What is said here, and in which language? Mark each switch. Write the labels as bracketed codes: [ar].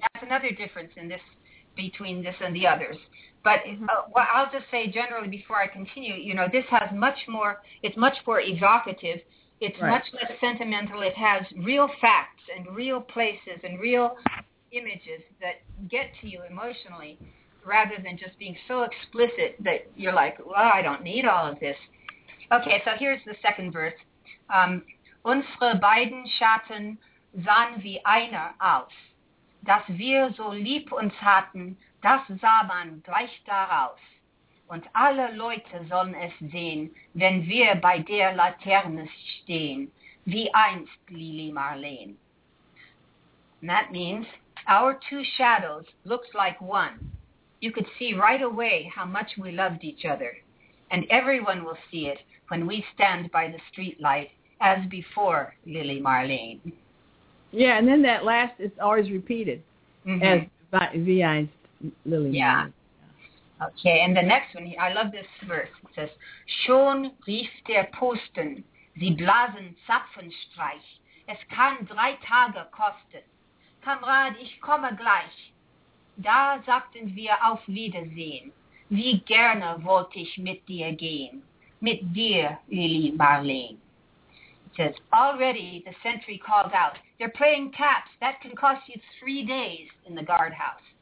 [en] that's another difference in this between this and the others. But I'll just say generally before I continue, you know, this has much more, it's much more evocative, it's much less sentimental, it has real facts and real places and real images that get to you emotionally rather than just being so explicit that you're like, well, I don't need all of this. Okay, so here's the second verse. [de] Unsere beiden Schatten sahen wie einer aus. Dass wir so lieb uns hatten, das sah man gleich daraus. Und alle Leute sollen es sehen, wenn wir bei der Laterne stehen, wie einst Lili Marleen. [en] And that means, our two shadows looked like one. You could see right away how much we loved each other. And everyone will see it when we stand by the streetlight, as before Lili Marleen. Yeah, and then that last is always repeated as [de] wie einst Lily. [en] Yeah. Okay, and the next one, I love this verse. It says, [de] schon rief der Posten, sie blasen Zapfenstreich. Es kann drei Tage kosten. Kamerad, ich komme gleich. Da sagten wir auf Wiedersehen. Wie gerne wollte ich mit dir gehen. Mit dir, Lily Marleen. [en] Says, already the sentry called out, they're playing taps. That can cost you 3 days in the guardhouse.